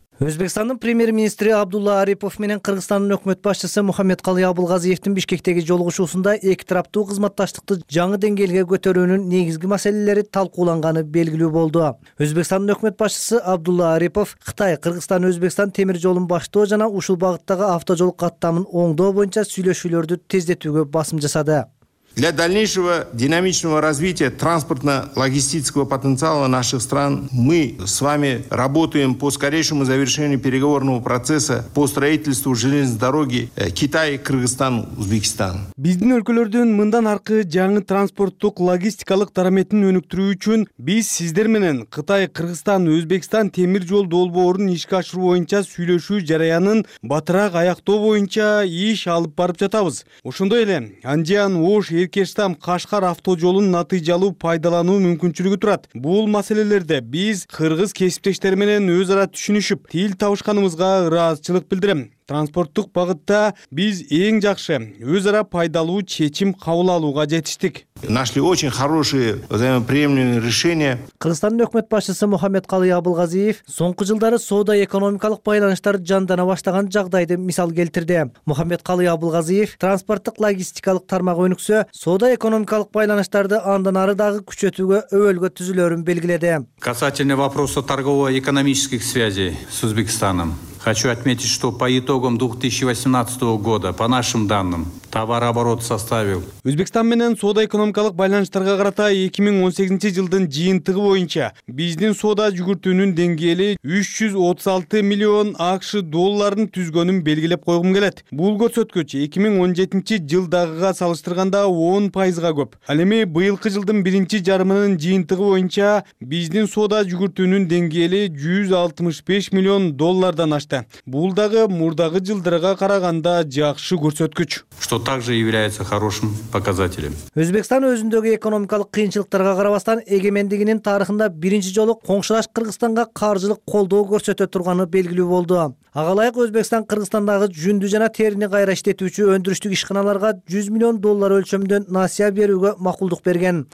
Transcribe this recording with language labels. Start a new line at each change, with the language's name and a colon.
Kyrgyz: Өзбекстандын премьер-министри Абдулла Арипов менен Кыргызстандын өкмөт башчысы Мухаммедкалый Абылгазиевдин Бишкектеги жолугушуусунда эки тараптуу кызматташтыкты жаңы деңгээлге көтөрүүнүн негизги маселелери талкууланганы белгилүү болду. Өзбекстандын өкмөт башчысы Абдулла Арипов Кытай, Кыргызстан, Өзбекстан темир жолун баштоо жана ушул багыттагы автожол каттамын оңдоо боюнча сүйлөшүүлөрдү тездетүүгө басым жасады.
Russian: Для дальнейшего динамичного развития транспортно-логистического потенциала наших стран мы с вами работаем по скорейшему завершению переговорного процесса по строительству железной дороги Китай-Кыргызстан-Узбекистан.
Kyrgyz: Биздин өлкөлөрдүн мындан аркы жаңы транспорттук-логистикалык тарамытын өнүктүрүү үчүн биз сиздер менен Кытай-Кыргызстан-Өзбекстан темир жол долбоорун ишке ашыруу боюнча сүйлөшүү жараянын батыраак аяктоо боюнча иш алып барып жатабыз. Ошондой эле Анжиан-Ош Эркештам, Кашкар автожолун натыйжалуу пайдалануу мүмкүнчүлүгү турат. Бул маселелерде биз кыргыз кесиптештер менен өз ара түшүнүшүп, тил табышканыбызга ыраазычылык билдирем. Транспорттук багытта биз эң жакшы өз ара пайдалуу чечим кабыл алууга жетиштик.
Russian: Нашли очень хорошие взаимоприемлемые решения.
Kyrgyz: Кыргызстандын өкмөт башчысы Мухаммедкалы Абылгазиев соңку жылдары соода экономикалык байланыштар жандана баштаган жагдайды мисал келтирди. Мухаммедкалы Абылгазиев транспорттук логистикалык тармак өнүксө, соода экономикалык байланыштарды андан ары дагы күчөтүүгө өбөлгө түзүлөрүн белгиледи.
Russian: Касательно вопроса торгово-экономических связей с Узбекистаном. Хочу отметить, что по итогам 2018 года, по нашим данным, товарооборот составил.
Kyrgyz: Өзбекстан менен соода экономикалык байланыштарга карата 2018 жылдын жыйынтыгы боюнча биздин соода жүгүртүүнүн деңгээли 336 миллион АКШ долларын түзгөнүн белгилеп койгум келет. Бул көрсөткүч 2017 жылдагыга салыштырганда 10% көп. Ал эми быйылкы жылдын биринчи жарымынын жыйынтыгы боюнча биздин соода жүгүртүүнүн деңгээли 165 миллион доллардан ашты. Бул дагы мурдагы жылдарга караганда жакшы көрсөткүч.
Russian: Что также является хорошим показателем.
Kyrgyz: Өзбекстан өзүндөгү экономикалык кыйынчылыктарга карабастан эгемендигинин тарыхында биринчи жолу коңшулаш Кыргызстанга каржылык колдоо көрсөтө турганы белгилүү болду. Ага ылайык Өзбекстан Кыргызстандагы жүндү жана терини кайра иштетүүчү өндүрүштүк ишканаларга 100 миллион доллар өлчөмдөн насия берүүгө макулдук берген.